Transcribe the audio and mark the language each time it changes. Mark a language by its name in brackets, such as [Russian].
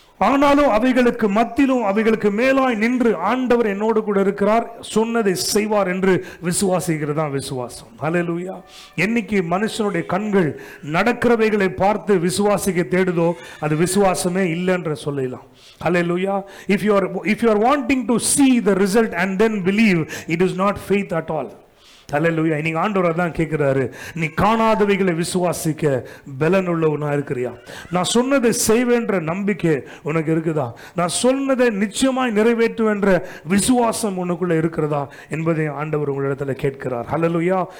[Tamil] ஆனாலும் அவைகளுக்கு மத்தியிலும் அவைகளுக்கு மேலாய் நின்று ஆண்டவர் என்னோடு கூட இருக்கிறார், சொன்னதை செய்வார் என்று விசுவாசிக்கிறது தான் விசுவாசம். ஹல்லேலூயா. என்னைக்கு மனுஷனுடைய கண்கள் நடக்கிறவைகளை பார்த்து விசுவாசிக்க தேடுதோ அது விசுவாசமே இல்லைன்ற சொல்லலாம். ஹல்லேலூயா. [English] If you are wanting to see the result and then believe, it is not faith at all. [Tamil] ஹல்லேலூயா. நீ ஆண்டவரை தான் கேட்கிறாரு, நீ காணாதவைகளை விசுவாசிக்க பலனுள்ளவனாக இருக்கிறியா? நான் சொன்னதை செய்வேன்ற நம்பிக்கை உனக்கு இருக்குதா? நான் சொன்னதை நிச்சயமாய் நிறைவேற்றுவேன்ற விசுவாசம் உனக்குள்ளே இருக்கிறதா என்பதை ஆண்டவர் உங்களிடத்தில் கேட்கிறார். ஹல்லேலூயா.